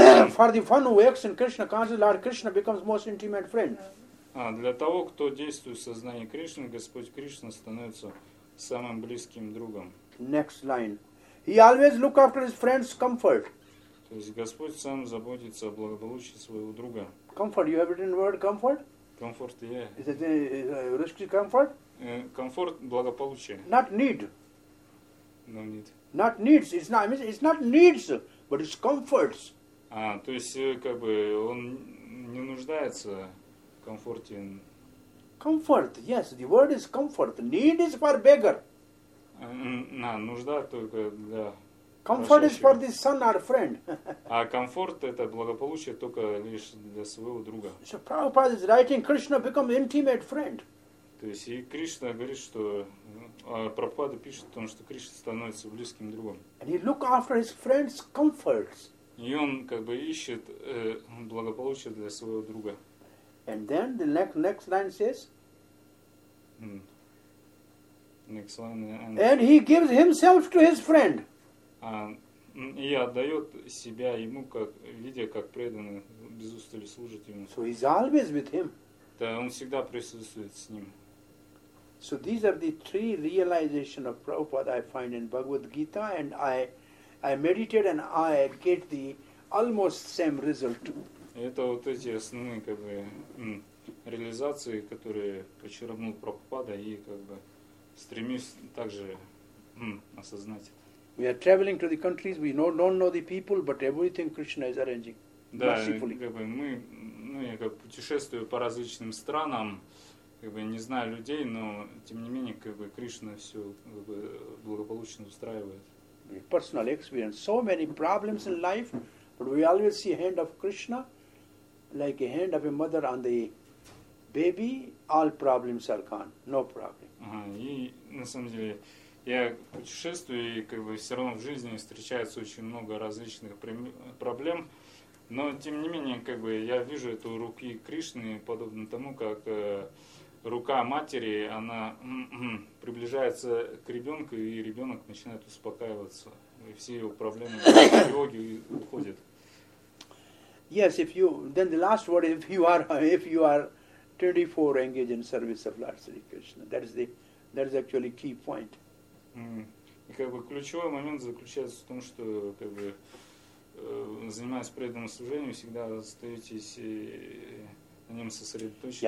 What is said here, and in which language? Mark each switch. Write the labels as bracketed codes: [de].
[en] For the one who acts in Krishna consciousness, Lord Krishna becomes most intimate friend. [ru] Для того, кто действует в сознании Кришны, Господь Кришна становится самым близким другом. [en] Next line. He always look after his friend's comfort. [ru] То есть Господь сам заботится о благополучии своего друга. [en] Comfort. You have written the word comfort? Comfort, yeah. Is it a risky comfort? [ru] Comfort, благополучие. [en] Not need. No need. Not needs. It's not needs, but it's comforts. [ru] То есть, как бы, он не нуждается в комфорте. [en] Comfort, yes. The word is comfort. Need is for beggar. [ru] Нужда только для... [en] Comfort is for the son or friend. [ru] А комфорт это благополучие только лишь для своего друга. [en] So Prabhupada is writing, Krishna become intimate friend. [ru] То есть и Кришна говорит, что Прабхупада пишет о том, что Кришна становится близким другом. [en] And he look after his friend's comforts. [ru] И он как бы ищет благополучие для своего друга. [en] And then the next line says. Next line. And he gives himself to his friend. [ru] И отдает себя ему, как видя, как преданный, без устали служит ему. [en] So he's always with him. [ru] Да, он всегда присутствует с ним. [en] So these are the three realization of Prabhupada I find in Bhagavad Gita, and I meditate and I get the almost same result. [ru] Это вот эти основные как бы реализации, которые почерпнул Прабхупада, и как бы стремись также осознать это. [en] We are traveling to the countries, we don't know the people, but everything Krishna is arranging mercifully. [ru] Как бы мы, я как путешествую по различным странам, как бы не знаю людей, но тем не менее, как бы Кришна все как бы благополучно устраивает. [en] Personal experience. So many problems in life, but we always see hand of Krishna, like a hand of a mother on the baby, all problems are gone. No problem. [ru] И на самом деле... Я путешествую, и как бы все равно в жизни встречается очень много различных проблем. Но тем не менее, как бы я вижу эту руку Кришны, подобно тому, как рука матери, она приближается к ребенку, и ребенок начинает успокаиваться. И все его проблемы тревоги уходят. [en] Yes, if you then the last word, if you are 24 engaged in service of Lord Sri Krishna, that is actually key point. [ru] И как бы ключевой момент заключается в том, что как бы занимаясь преданным служением, всегда остаетесь на нем сосредоточены.